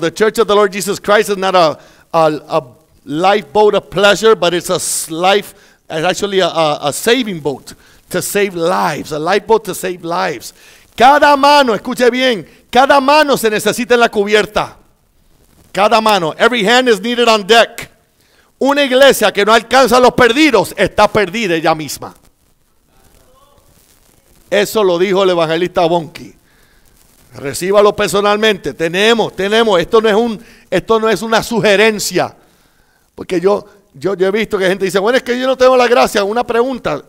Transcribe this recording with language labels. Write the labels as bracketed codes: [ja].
[en] The Church of the Lord Jesus Christ is not a lifeboat of pleasure, but it's actually a saving boat. To save lives, a lifeboat to save lives. [es] Cada mano, escuche bien, cada mano se necesita en la cubierta. Cada mano, [en] every hand is needed on deck. [es] Una iglesia que no alcanza a los perdidos está perdida ella misma. Eso lo dijo el evangelista Bonnke. Recíbalo personalmente. Tenemos. Esto no es una sugerencia. Porque yo he visto que gente dice, bueno, es que yo no tengo la gracia. Una pregunta.